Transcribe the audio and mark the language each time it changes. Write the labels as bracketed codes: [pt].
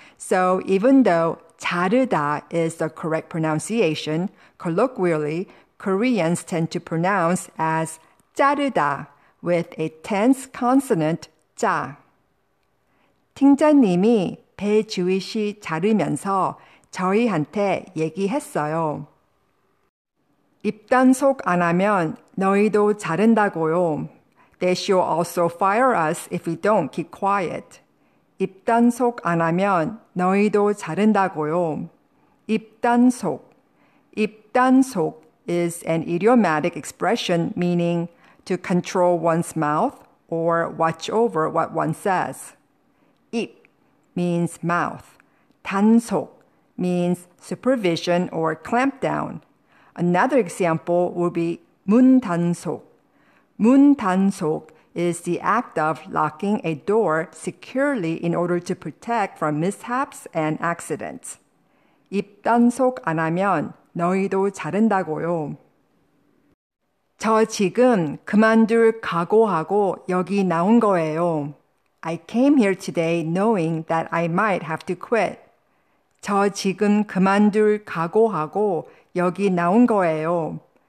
[en] So even though 자르다 is the correct pronunciation, colloquially, Koreans tend to pronounce as 자르다 with a tense consonant 자. [ko] 팀장님이 배 주윗이 자르면서 저희한테 얘기했어요. 입단속 안 하면 너희도 자른다고요. [en] They shall also fire us if we don't keep quiet. [ko] 입단속 안 하면 너희도 자른다고요. [en] 입단속. 입단속 is an idiomatic expression meaning to control one's mouth or watch over what one says. 입 means mouth. 단속 means supervision or clamp down. Another example would be 문 단속. 문 단속 is the act of locking a door securely in order to protect from mishaps and accidents. [ko] 입 단속 안 하면 너희도 자른다고요. 저 지금 그만둘 각오하고 여기 나온 거예요. [en] I came here today knowing that I might have to quit. [ko] 저 지금 그만둘 각오하고 여기 나온 거예요.